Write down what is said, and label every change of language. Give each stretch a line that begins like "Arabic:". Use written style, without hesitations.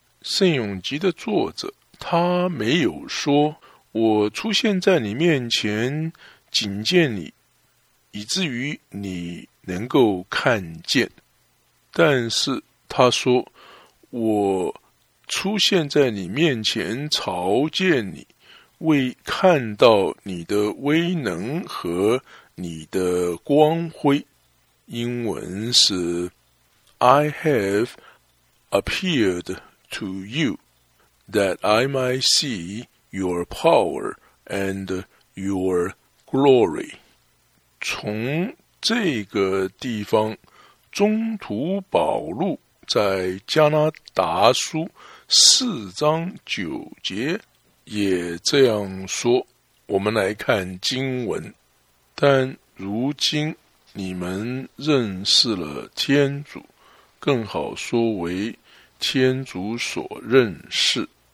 Chinese: 圣咏集的作者他没有说我出现在你面前警戒你，以至于你能够看见，但是他说我出现在你面前朝见你，为看到你的威能和你的光辉。
English: 英文是 I have appeared to you that I might see your power and your glory。
Chinese: 从这个地方，中途保禄在加拿大书四章九节也这样说。我们来看经文，但如今你们认识了天主，更好说为天主所认识。